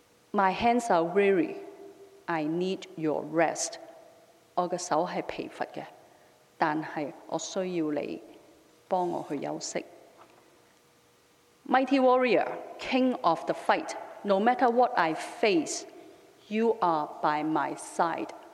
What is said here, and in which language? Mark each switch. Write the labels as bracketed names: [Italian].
[English] My hands are weary， I need your rest。 [Chinese] 我的手是疲乏的，但是我需要你帮我去休息。 [English] Mighty warrior, king of the fight, no matter what I face, you are by my side。